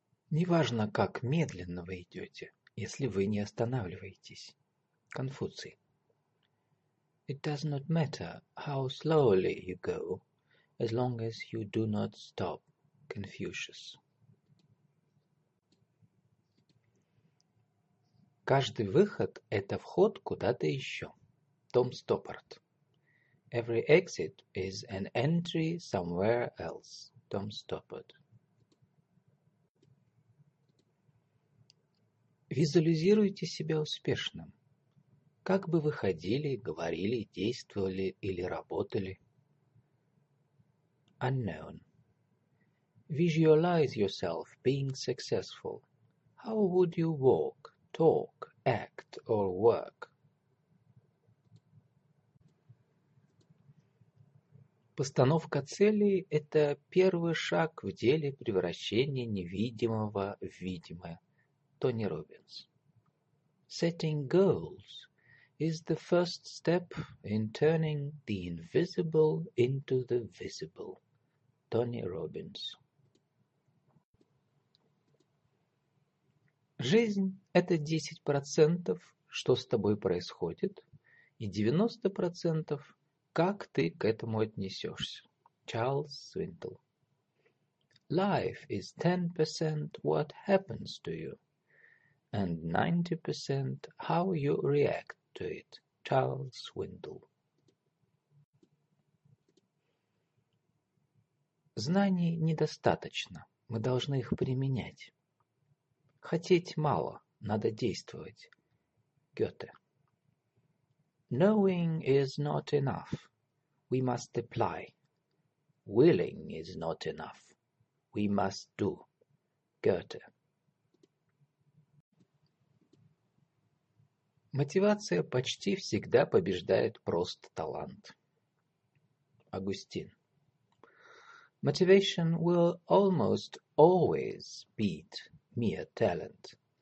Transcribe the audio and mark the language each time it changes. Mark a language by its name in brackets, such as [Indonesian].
[Russian] Неважно, как медленно вы идете, если вы не останавливаетесь. Конфуций. [English] It does not matter how slowly you go, as long as you do not stop. Confucius. [Russian] Каждый выход – это вход куда-то еще. Том Стоппард. [English] Every exit is an entry somewhere else. [Russian] Том Стоппард. Визуализируйте себя успешным. Как бы вы ходили, говорили, действовали или работали? [English] Unknown. Visualize yourself being successful. How would you walk, talk, act or work? [Russian] Постановка целей – это первый шаг в деле превращения невидимого в видимое. Тони Робинс. [English] Setting goals is the first step in turning the invisible into the visible. [Russian] Тони Робинс. Жизнь – это 10%, что с тобой происходит, и 90%, как ты к этому отнесешься. Чарльз Свиндл. [English] Life is 10% what happens to you. And 90% how you react to it, Charles Swindle. [Russian] Знаний недостаточно, мы должны их применять. Хотеть мало, надо действовать. [English] Goethe. Knowing is not enough, we must apply. Willing is not enough, we must do. Goethe. [Russian] Мотивация почти всегда побеждает просто талант. Агустин. [English] Motivation will almost always beat mere talent.